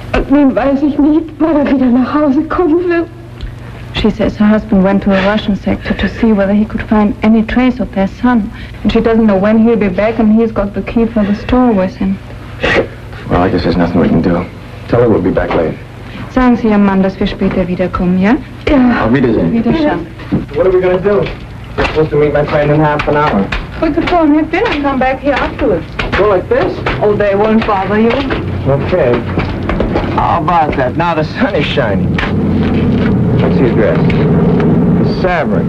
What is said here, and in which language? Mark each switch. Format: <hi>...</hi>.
<de>Nun weiß ich nicht, wann er wieder nach Hause kommen will.</de> <en>She says her husband went to a Russian sector to see whether he could find any trace of their son. And she doesn't know when he'll be back, and he's got the key for the store with him. Well, I guess there's nothing we can do. Tell her we'll be back late.</en> <de>Sagen Sie Ihrem Mann, dass wir später wiederkommen, ja? Ja. Auf Wiedersehen. Wiedersehen.</de> <en>What are we going to do? We're supposed to meet my friend in half an hour. We could phone him in and come back here afterwards. Go like this? Oh, they won't bother you. Okay. How about that? Now the sun is shining. What's the address? Savory.</en>